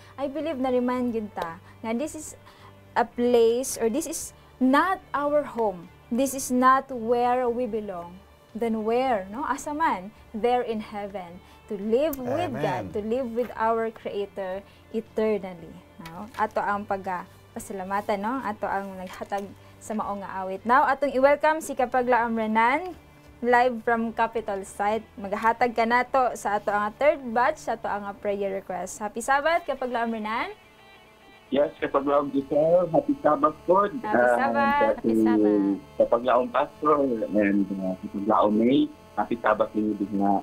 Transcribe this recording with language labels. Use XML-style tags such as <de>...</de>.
<en>I believe</en> <ceb>na remind yun ta, na</ceb> <en>this is a place, or this is not our home. This is not where we belong. Then where, no?</en> <ceb>Asa man?</ceb> <en>There in heaven. To live with Amen. God, to live with our Creator eternally.</en> <ceb>No? Ato ang pagpasalamatan, no? Ato ang naghatag sa maong awit. Now, atong i-welcome si Kapaglaom Renan,</ceb> <en>live from Capitol Site.</en> <ceb>Maghatag ka na to sa ato ang third batch, sa ato ang prayer request.</ceb> <en>Happy Sabbath, Kapaglaom Renan! Yes, Kapaglaom Giselle, happy Sabbath po! Happy Sabbath! Kapaglaom Pastor, and Kapaglaom May, happy Sabbath din yung na.</en>